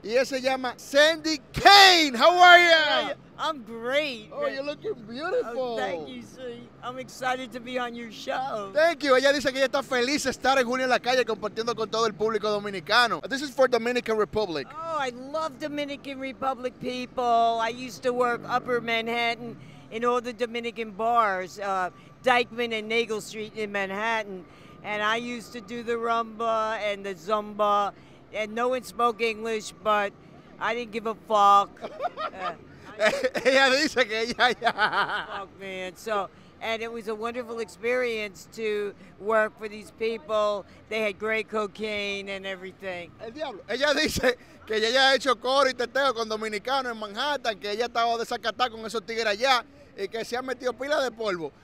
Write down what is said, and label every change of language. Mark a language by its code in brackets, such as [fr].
[es] Y ella se llama Sandy Cain. [en] How are you? I'm great. Oh, you're looking beautiful. Oh, thank you, sweetie. I'm excited to be on your show. Thank you. [es] Ella dice que ella está feliz de estar en Julio en la Calle compartiendo con todo el público dominicano. [en] This is for Dominican Republic. Oh, I love Dominican Republic people. I used to work Upper Manhattan in all the Dominican bars, Dyckman and Nagel Street in Manhattan. And I used to do the rumba and the zumba. And no one spoke English, but I didn't give a fuck. [es] Ella dice que ya, ya. [en] Fuck, man. So, and it was a wonderful experience to work for these people. They had great cocaine and everything. [es] El diablo. Ella dice que ya ha hecho coro y teteo con dominicanos en Manhattan, que ella estaba desacatada con esos tigres allá y que se ha metido pila de polvo.